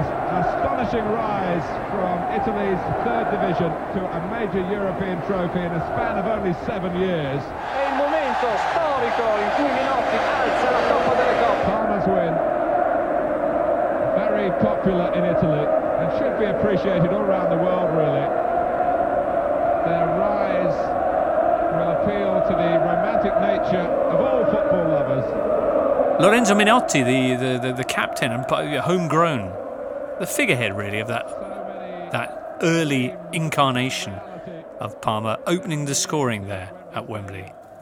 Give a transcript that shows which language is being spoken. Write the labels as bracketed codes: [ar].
[en] Astonishing rise from Italy's third division to a major European trophy in a span of only 7 years. [it] È il momento storico in cui Minotti alza la Coppa delle Coppe. [en] Palmer's win, very popular in Italy and should be appreciated all around the world, really. Their rise will appeal to the romantic nature of all football lovers. Lorenzo Minotti, the captain and homegrown, the figurehead, really, of that early incarnation of Palmer, opening the scoring there at Wembley.